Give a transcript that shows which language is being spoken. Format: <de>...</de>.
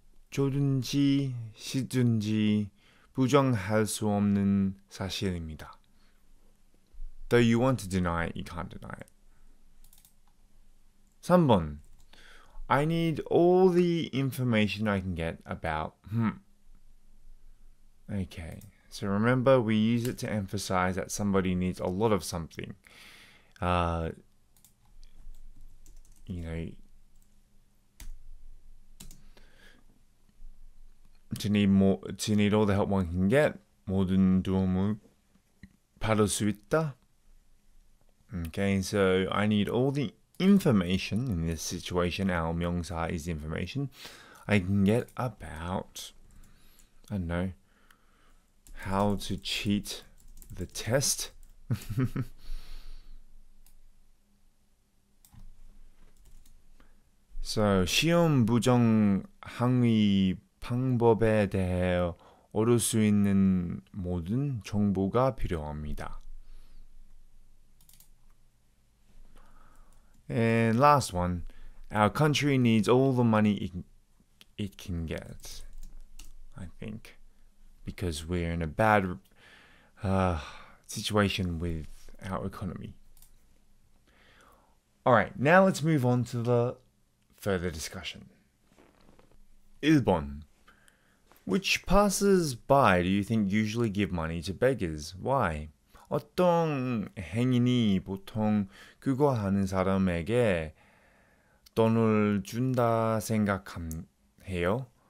<ko>좋든지 싫든지 부정할 수 없는 사실입니다.</ko> <en>Though you want to deny it, you can't deny it. 3번, I need all the information I can get about Okay, so remember we use it to emphasize that somebody needs a lot of something. You know, to need more, to need all the help one can get.</en> <ko>모든 도움을 받을 수 있다.</ko> <en>Okay, so I need all the information in this situation. Our</en> <ko>명사</ko> <en>is information I can get about. I don't know. How to cheat the test?</en> <ko>So, 시험 부정 항의 방법에 대해 얻을 수 있는 모든 정보가 필요합니다.</ko> <en>And last one, our country needs all the money it can get, I think. Because we're in a bad situation with our economy. Alright, now let's move on to the further discussion.</en> <ko>1번,</ko> <en>which passers-by do you think usually give money to beggars? Why?</en> <ko>어떤 행인이 보통 그거 하는 사람에게 돈을 준다 생각해요?</ko>